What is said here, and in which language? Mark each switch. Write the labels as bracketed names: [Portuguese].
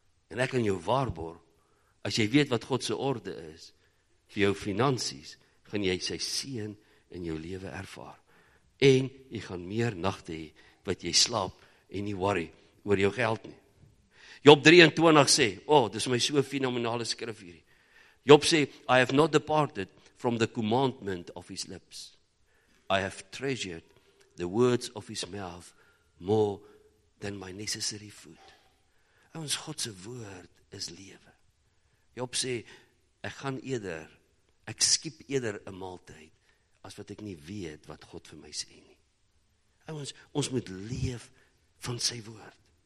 [Afrikaans] En ek kan jou waarborg, as jy weet wat God se orde is vir jou finansies, gaan jy sy seën in jou lewe ervaar. En jy gaan meer nagte hê wat jy slaap en nie worry oor jou geld nie. Job 23 sê, oh, dis my so fenomenale skrif hierdie. Job sê, [English] I have not departed from the commandment of his lips. I have treasured the words of his mouth more than my necessary food. [Afrikaans] Ons God se woord is lewe. Job sê, ek skiep eerder 'n maaltyd as wat ek nie weet wat God vir my sê nie. Ons moet leef van sy woord.